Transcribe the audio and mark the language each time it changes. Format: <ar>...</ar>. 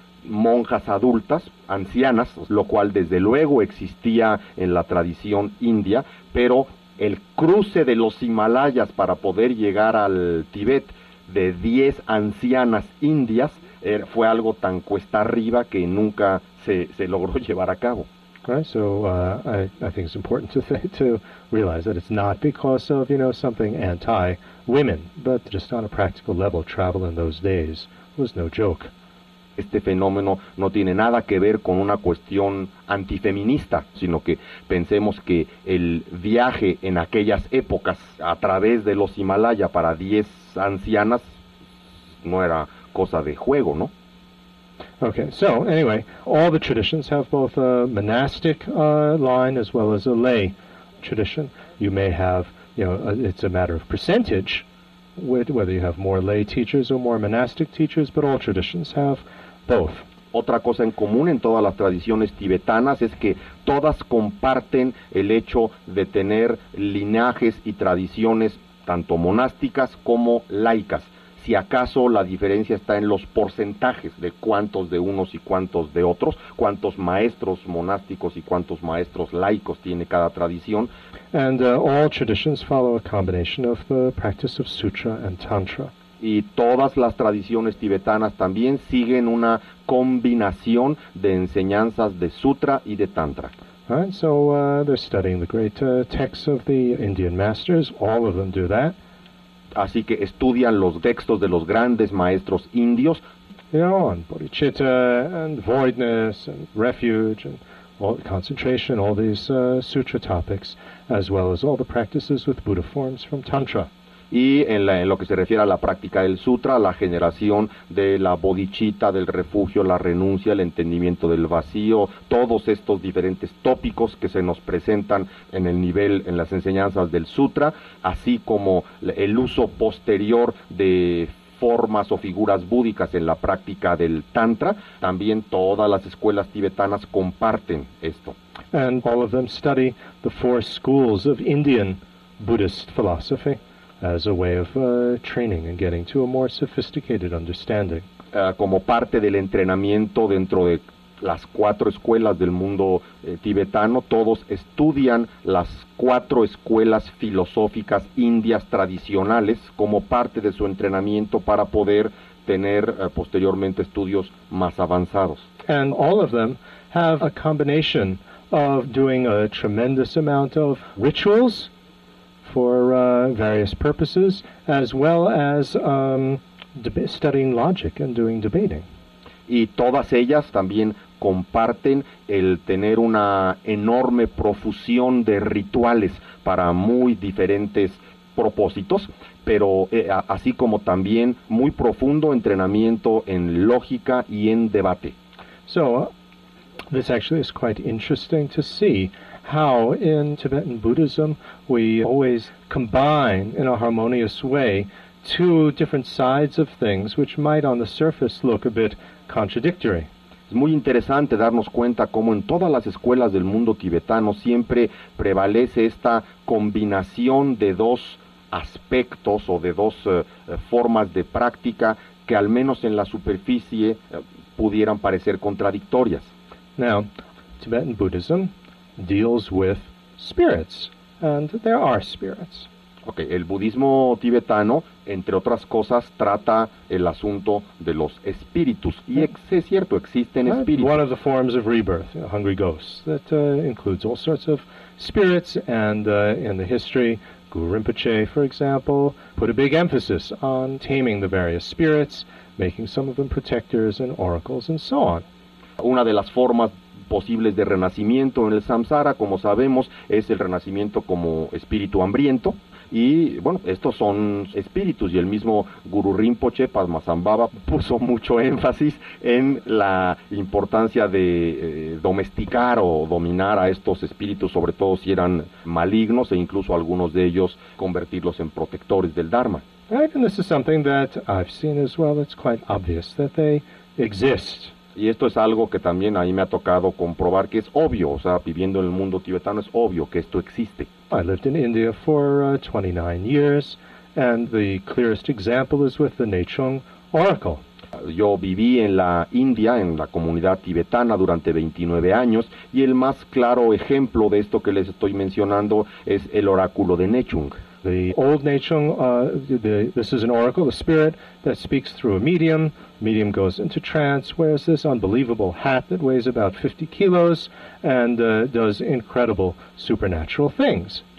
<es>monjas adultas, ancianas, lo cual desde luego existía en la tradición india, pero el cruce de los Himalayas para poder llegar al Tíbet de 10 ancianas indias fue algo tan cuesta arriba que nunca se logró llevar a cabo.</es> <en>Right, so I think it's important to realize that it's not because of, you know, something anti-women, but just on a practical level, travel in those days was no joke.</en> <es>Este fenómeno no tiene nada que ver con una cuestión antifeminista, sino que pensemos que el viaje en aquellas épocas a través de los Himalaya para 10 ancianas no era cosa de juego, ¿no?</es> <en>Okay, so anyway, all the traditions have both a monastic line as well as a lay tradition. You may have, you know, it's a matter of percentage, whether you have more lay teachers or more monastic teachers, but all traditions have both.</en> <es>Otra cosa en común en todas las tradiciones tibetanas es que todas comparten el hecho de tener linajes y tradiciones tanto monásticas como laicas. Si acaso la diferencia está en los porcentajes de cuántos de unos y cuántos de otros, cuántos maestros monásticos y cuántos maestros laicos tiene cada tradición.</es> <en>And all traditions follow a combination of the practice of sutra and tantra.</en> <es>Y todas las tradiciones tibetanas también siguen una combinación de enseñanzas de sutra y de tantra.</es> <en>Right, so they're studying the great texts of the Indian masters. All of them do that.</en> <es>Así que estudian los textos de los grandes maestros indios.</es> <en>You know, and bodhicitta and voidness and refuge and all concentration, all these sutra topics, as well as all the practices with Buddha forms from tantra.</en> <es>Y en lo que se refiere a la práctica del sutra, la generación de la bodhicitta, del refugio, la renuncia, el entendimiento del vacío, todos estos diferentes tópicos que se nos presentan en el nivel, en las enseñanzas del sutra, así como el uso posterior de formas o figuras búdicas en la práctica del tantra, también todas las escuelas tibetanas comparten esto.</es> <en>And all of them study the four schools of Indian Buddhist philosophy as a way of training and getting to a more sophisticated understanding.</en> <es>Como parte del entrenamiento dentro de las cuatro escuelas del mundo tibetano, todos estudian las cuatro escuelas filosóficas indias tradicionales como parte de su entrenamiento para poder tener posteriormente estudios más avanzados.</es> <en>And all of them have a combination of doing a tremendous amount of rituals for various purposes, as well as studying logic and doing debating.</en> <es>Y todas ellas también comparten el tener una enorme profusión de rituales para muy diferentes propósitos, pero así como también muy profundo entrenamiento en lógica y en debate.</es> <en>So, this actually is quite interesting to see how in Tibetan Buddhism we always combine in a harmonious way two different sides of things which might on the surface look a bit contradictory.</en> <es>Es muy interesante darnos cuenta cómo en todas las escuelas del mundo tibetano siempre prevalece esta combinación de dos aspectos o de dos formas de práctica que al menos en la superficie pudieran parecer contradictorias.</es> <en>Now, Tibetan Buddhism deals with spirits, and there are spirits.</en> <es>Okay, el budismo tibetano, entre otras cosas, trata el asunto de los espíritus, y es cierto, existen espíritus.</es> <en>One of the forms of rebirth, you know, hungry ghosts, that includes all sorts of spirits, and in the history, Guru Rinpoche, for example, put a big emphasis on taming the various spirits, making some of them protectors and oracles, and so on.</en> <es>Una de las formas posibles de renacimiento en el samsara, como sabemos, es el renacimiento como espíritu hambriento. Y bueno, estos son espíritus, y el mismo Guru Rinpoche, Padmasambhava, puso mucho énfasis en la importancia de domesticar o dominar a estos espíritus, sobre todo si eran malignos, e incluso algunos de ellos convertirlos en protectores del Dharma.</es> <en>Right, and this is something that I've seen as well. It's quite obvious that they exist.</en> <es>Y esto es algo que también ahí me ha tocado comprobar que es obvio, o sea, viviendo en el mundo tibetano es obvio que esto existe.</es> <en>I lived in India for 29 years, and the clearest example is with the Nechung Oracle.</en> <es>Yo viví en la India, en la comunidad tibetana, durante 29 años, y el más claro ejemplo de esto que les estoy mencionando es el oráculo de Nechung.</es> <en>The old Nechung, this is an oracle, the spirit that speaks through a medium. Medium goes into trance, wears this unbelievable hat that weighs about 50 kilos and does incredible supernatural things.</en>